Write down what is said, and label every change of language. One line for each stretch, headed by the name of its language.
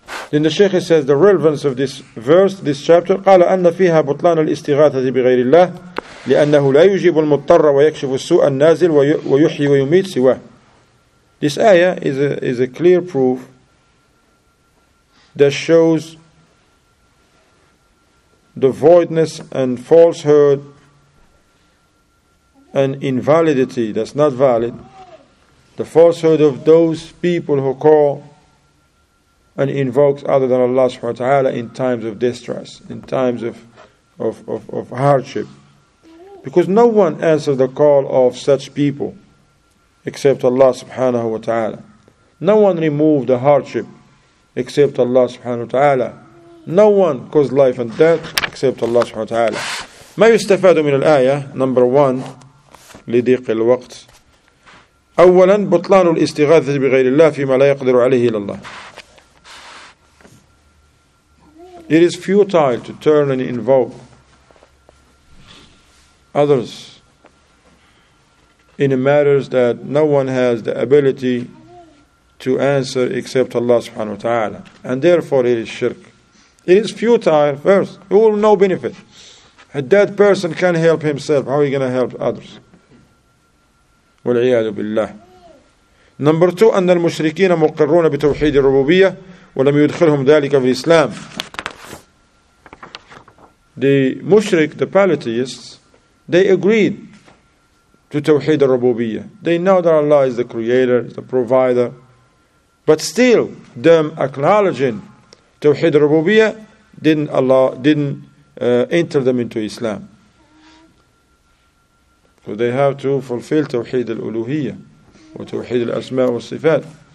English: Then the Shaykh says the relevance of this verse, this chapter,
Arabic: قال أن فيها بطلان الاستغاثة بغير الله لأنه لا يجيب المضطر ويكشف السوء النازل ويحيي ويميت سواه.
English: This ayah is a clear proof that shows the voidness and falsehood and invalidity, that's not valid, the falsehood of those people who call and invoke other than Allah subhanahu wa ta'ala in times of distress, in times of hardship. Because no one answers the call of such people except Allah subhanahu wa ta'ala. No one removed the hardship except Allah subhanahu wa ta'ala. No one caused life and death except Allah subhanahu wa ta'ala.
Arabic: ما يستفاد من الآية
English: number one
Arabic: لضيق الوقت أولا بطلان الاستغاثة بغير الله فيما لا يقدر عليه إلا الله.
English: It is futile to turn and invoke others in matters that no one has the ability to answer except Allah subhanahu wa ta'ala. And therefore it is shirk. It is futile, first. It will no benefit. A dead person can't help himself. How are you going to help others?
Arabic: وَالْعِيَادُ بِاللَّهِ
English: Number two,
Arabic: أَنَّ الْمُشْرِكِينَ مُقَرُّونَ بِتَوْحِيدِ الرُّبُوبِيَّةِ وَلَمْ يُدْخِلْهُمْ ذَلِكَ فِي الْإِسْلَامِ
English: The mushrik, the polytheists, they agreed to Tawheed al-Rububiyyah. They know that Allah is the creator, the provider. But still, them acknowledging Tawheed al-Rububiyyah, didn't enter them into Islam. So they have to fulfill Tawheed al-Uluhiyyah, or Tawheed al-Asma wa-Sifat.